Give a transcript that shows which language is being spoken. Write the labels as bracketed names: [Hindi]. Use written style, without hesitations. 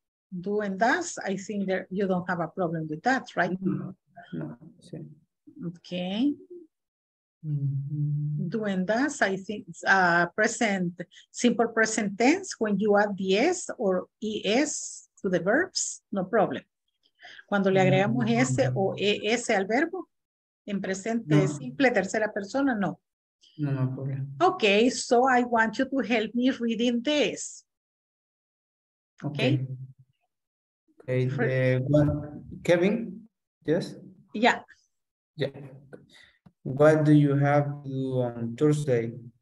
[English] Do and does, I think there you don't have a problem with that, right? No. Okay. Mm-hmm. Do and does, I think it's present, simple present tense when you add the S or ES to the verbs, no problem. [Spanish] Cuando le agregamos mm-hmm. S o ES al verbo, en presente no. simple, tercera persona, no. [English] No, no problem. Okay, so I want you to help me reading this. Okay. Okay, Kevin, yes? Yeah. Yeah. What do you have to do on Thursday?